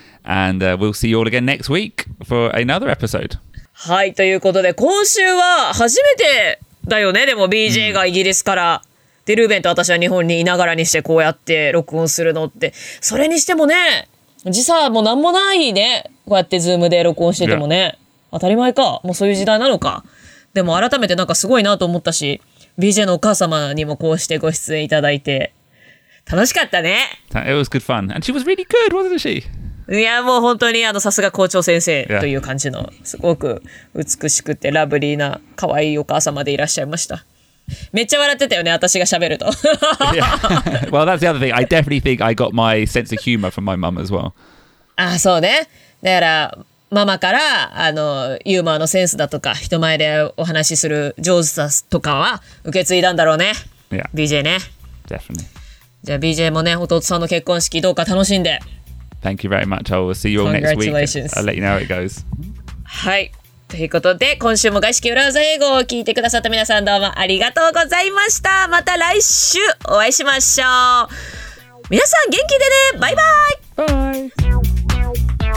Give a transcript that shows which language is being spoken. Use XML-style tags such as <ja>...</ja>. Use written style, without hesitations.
<en>And we'll see you all again next week for another episode.</en> <ja>はい、ということで今週は初めてだよね。でも BJ がイギリスから、でルーベンと私は日本にいながらにしてこうやって録音するのって、それにしてもね、時差もなんもないね。こうやってズームで録音しててもね、当たり前か。もうそういう時代なのか。でも改めてなんかすごいなと思ったし、BJ のお母様にもこうしてご出演いただいて楽しかったね。</ja> <en>It was good fun, and she was really good, wasn't she?</en> <ja>いやもう本当にあのさすが校長先生という感じのすごく美しくてラブリーな可愛いお母様でいらっしゃいました。めっちゃ笑ってたよね、私が喋ると。</ja> <en>Yeah. Well, that's the other thing. I definitely think I got my sense of humor from my mom as well.</en> <ja>あ、そうね。だからママからあのユーモアのセンスだとか人前でお話しする上手さとかは受け継いだんだろうね。</ja> <en>Yeah.</en> <ja>BJ ね。</ja> <en>Definitely.</en> <ja>じゃあ BJ もね、弟さんの結婚式どうか楽しんで。</ja> <en>Thank you very much. I will see you all next week. Congratulations. I'll let you know how it goes.</en> <ja>はい。ということで、今週も外資系裏技英語を聞いてくださった皆さん、どうもありがとうございました。また来週お会いしましょう。皆さん元気でね。バイバイ。バイ。</ja>